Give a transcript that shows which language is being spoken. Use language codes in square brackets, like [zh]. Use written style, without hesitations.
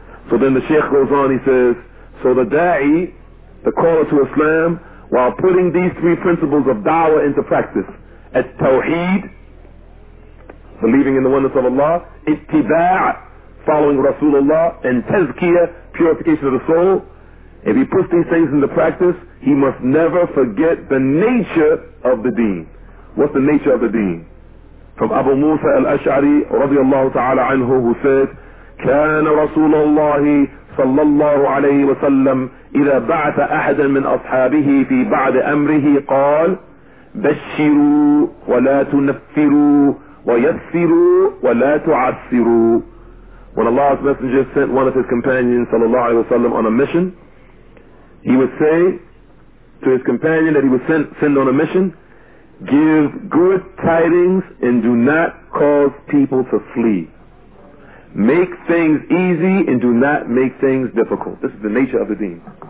[en] So then the Shaykh goes on, he says, so the da'i, the caller to Islam, while putting these three principles of da'wah into practice, at tawheed, believing in the oneness of Allah, ittiba', following Rasulullah, and tazkiyah, purification of the soul, if he puts these things into practice, he must never forget the nature of the deen. What's the nature of the deen? from Abu Musa al-Ash'ari radiyallahu ta'ala anhu, who said, [ar] كان رسول الله صلى الله عليه وسلم إذا بعث أحدا من أصحابه في بعض أمره قال بشروا ولا تنفروا ويسروا ولا تعسروا. [en] When Allah's Messenger sent one of his companions [ar] صلى الله عليه وسلم [en] on a mission, he would say to his companion that he was sent on a mission, give good tidings and do not cause people to flee. Make things easy and do not make things difficult. This is the nature of the deen.